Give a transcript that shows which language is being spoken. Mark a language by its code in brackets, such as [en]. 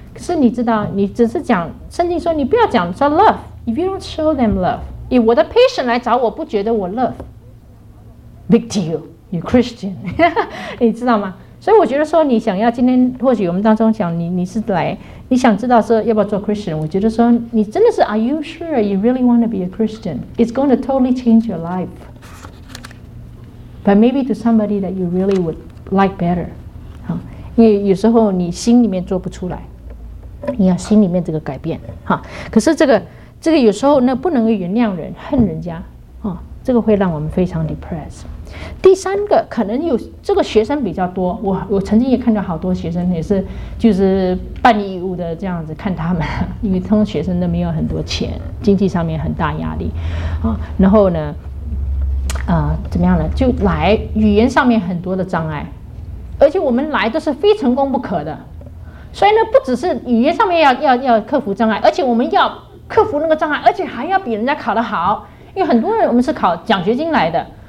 [zh] 是，你知道，你只是讲圣经说，你不要讲说 love， [en] if you don't show them love， [zh] 以我的 patient 来找我，不觉得我 love， [en] big deal， you Christian， [zh] 你知道吗？所以我觉得说，你想要今天或许我们当中讲你是来，你想知道说要不要做 Christian， 我觉得说你真的是 [en] are you sure you really want to be a Christian？ It's going to totally change your life。 but maybe to somebody that you really would like better. [zh] 因为有时候你心里面做不出来，你要心里面这个改变。可是这个有时候呢不能原谅人，恨人家，这个会让我们非常 depressed。第三个可能有这个学生比较多， 我曾经也看到好多学生也是就是办义务的这样子看他们，因为通常学生都没有很多钱，经济上面很大压力，然后呢怎么样呢，就来语言上面很多的障碍，而且我们来都是非成功不可的，所以呢不只是语言上面 要克服障碍，而且我们要克服那个障碍，而且还要比人家考得好，因为很多人我们是考奖学金来的，